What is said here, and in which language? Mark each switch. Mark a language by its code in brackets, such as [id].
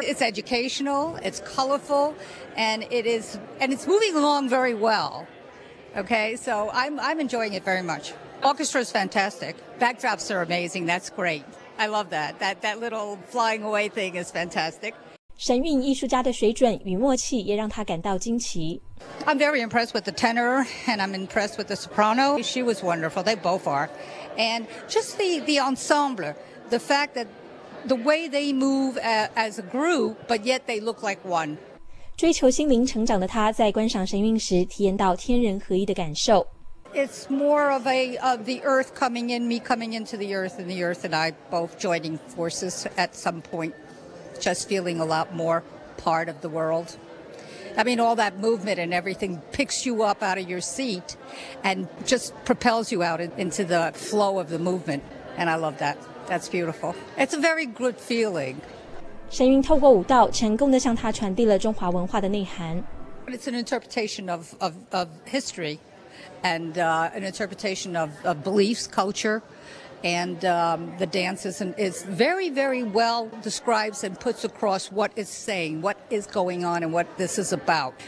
[en] It's educational. It's colorful. And it's moving along very well. Okay, so I'm enjoying it very much. Orchestra is fantastic. Backdrops are amazing. That's great. I love that. That little flying away thing is fantastic. [zh] 神韵艺术家的水准与默契也让他感到惊奇。 [en] I'm very impressed with the tenor, and I'm impressed with the soprano. She was wonderful. They both are. And just the ensemble, the fact that the way they move as a group, but yet they look like one. [zh] 追求心灵成长的他在观赏神韵时体验到天人合一的感受。 [en] It's more of the earth coming in, me coming into the earth and I both joining forces at some point, just feeling a lot more part of the world. I mean, all that movement and everything picks you up out of your seat and just propels you out into the flow of the movement. And I love that. That's beautiful. It's a very good feeling. [zh] 神韵透过舞蹈成功地向他传递了中华文化的内涵。 [en] It's an interpretation of history. An interpretation of beliefs, culture, and the dances is very, very well describes and puts across what it's saying, what is going on, and what this is about.